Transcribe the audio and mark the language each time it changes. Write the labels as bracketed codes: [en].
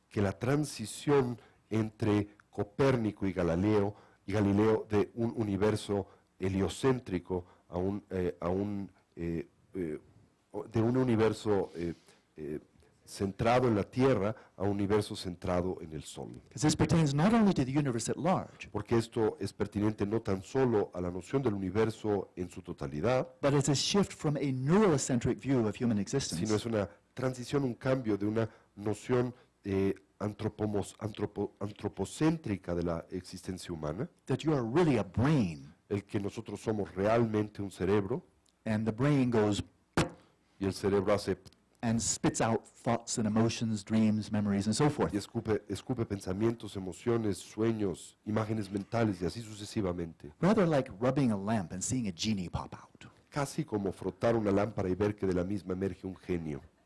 [es] Que la transición entre Copérnico y Galileo de un universo heliocéntrico a un de un universo centrado en la Tierra a un universo centrado en el Sol. [en] This pertains not only to the universe at large, [es] porque esto es pertinente no tan solo a la noción del universo en su totalidad, [en] but it's a shift from a neurocentric view of human existence. [es] Sino es una transición, un cambio de una noción antropocéntrica de la existencia humana, [en] that you are really a brain, [es] el que nosotros somos realmente un cerebro, [en] and the brain goes, [es] y el cerebro hace, [en] and spits out thoughts and emotions, dreams, memories, and so forth. [es] Y escupe pensamientos, emociones, sueños, imágenes mentales, y así sucesivamente. [en] Rather like rubbing a lamp and seeing a genie pop out. [es] Casi como frotar una lámpara y ver que de la misma emerge un genio.